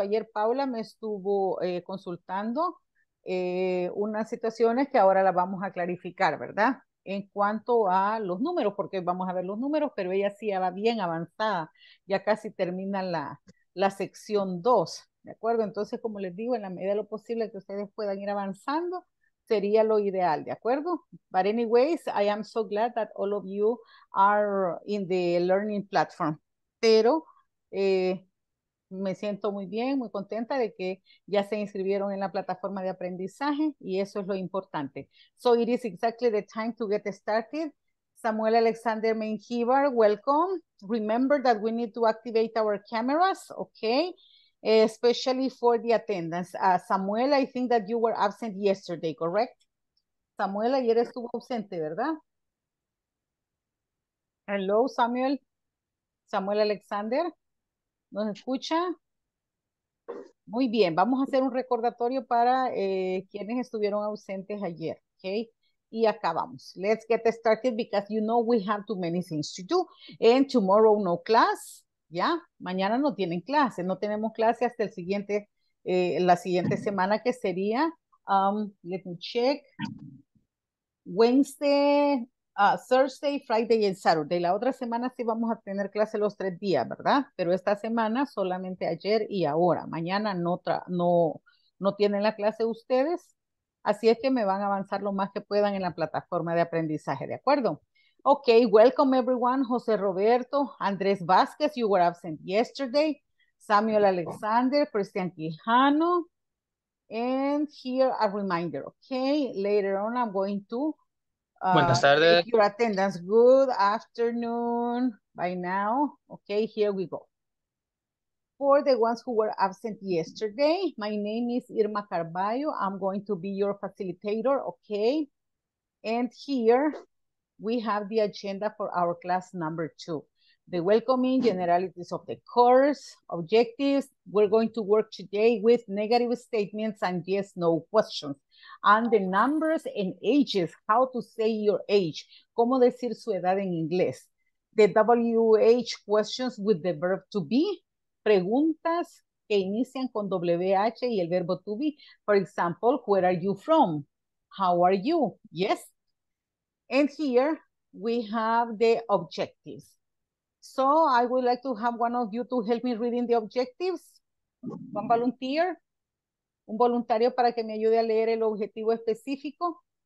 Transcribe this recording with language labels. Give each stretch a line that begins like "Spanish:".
Spanish: Ayer Paula me estuvo consultando unas situaciones que ahora las vamos a clarificar, ¿verdad? En cuanto a los números, porque vamos a ver los números, pero ella sí ya va bien avanzada, ya casi termina la sección 2, ¿de acuerdo? Entonces, como les digo, en la medida de lo posible que ustedes puedan ir avanzando, sería lo ideal, ¿de acuerdo?
English: But anyways, I am so glad that all of you are in the learning platform.
Spanish: Pero me siento muy bien, muy contenta de que ya se inscribieron en la plataforma de aprendizaje y eso es lo importante.
English: So it is exactly the time to get started. Samuel Alexander Mengíbar, welcome. Remember that we need to activate our cameras, okay? Especially for the attendance. Samuel, I think that you were absent yesterday, correct?
Spanish: Samuel, ayer estuvo ausente, ¿verdad?
English: Hello,
Spanish: Samuel. Samuel Alexander, ¿nos escucha? Muy bien, vamos a hacer un recordatorio para quienes estuvieron ausentes ayer, ¿ok? Y acá vamos.
English: Let's get started because you know we have too many things to do. And tomorrow, no class.
Spanish: Ya, mañana no tienen clase, no tenemos clase hasta el siguiente, la siguiente semana que sería,
English: let me check, Wednesday, Thursday, Friday
Spanish: y Saturday. La otra semana sí vamos a tener clase los 3 días, ¿verdad? Pero esta semana solamente ayer y ahora. Mañana no tienen la clase ustedes, así es que me van a avanzar lo más que puedan en la plataforma de aprendizaje, ¿de acuerdo?
English: Okay, welcome everyone. José Roberto, Andrés Vázquez, you were absent yesterday. Samuel Alexander, Cristian Quijano. And here a reminder, okay? Later on, I'm going to
Spanish: Buenas
English: take
Spanish: tardes.
English: your attendance. Good afternoon by now. Okay, here we go. For the ones who were absent yesterday, my name is Irma Carballo. I'm going to be your facilitator, okay? And here, we have the agenda for our class number two. The welcoming generalities of the course, objectives. We're going to work today with negative statements and yes, no questions. And the numbers and ages, how to say your age.
Spanish: ¿Cómo decir su edad en inglés?
English: The WH questions with the verb to be.
Spanish: Preguntas que inician con WH y el verbo to be.
English: For example, where are you from? How are you? Yes. And here we have the objectives. So I would like to have one of you to help me reading the objectives. One volunteer,
Spanish: un voluntario para que me ayude a leer el objetivo específico.